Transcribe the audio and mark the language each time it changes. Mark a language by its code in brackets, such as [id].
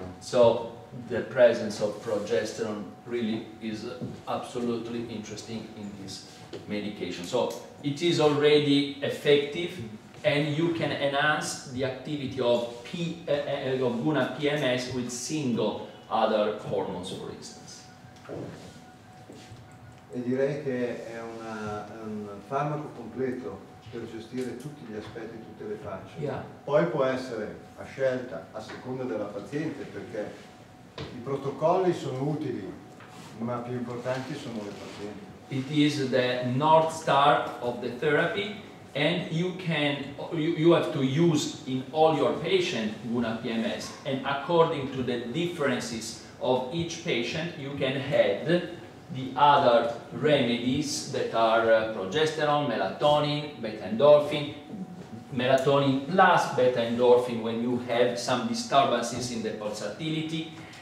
[en] So the presence of progesterone really is absolutely interesting in this medication. So it is already effective, and you can enhance the activity of Guna PMS with single other hormones, for instance. [it] E direi che è un farmaco completo per gestire tutti gli aspetti, tutte le facce. [en] Yeah. [it] Poi può essere a scelta, a seconda della paziente, perché i protocolli sono utili, ma più importanti sono le pazienti. [en] It is the North Star of the therapy, and you have to use in all your patients Guna PMS, and according to the differences of each patient, you can add the other remedies that are progesterone, melatonin, beta endorphin, melatonin plus beta endorphin when you have some disturbances in the pulsatility.